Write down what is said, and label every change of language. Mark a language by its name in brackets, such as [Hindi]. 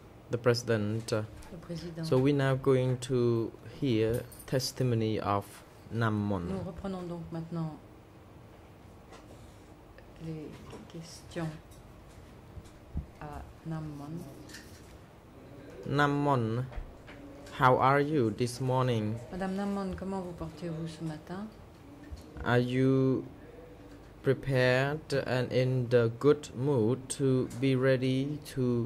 [English] The President, so we're now going to hear testimony of Nam Mon. [French] Nous reprenons donc maintenant les questions à Nam Mon. [English] Nam Mon, how are you this morning? [French] Madame Nam Mon, comment vous portez-vous ce matin? [English] Are you prepared and in the good mood to be ready to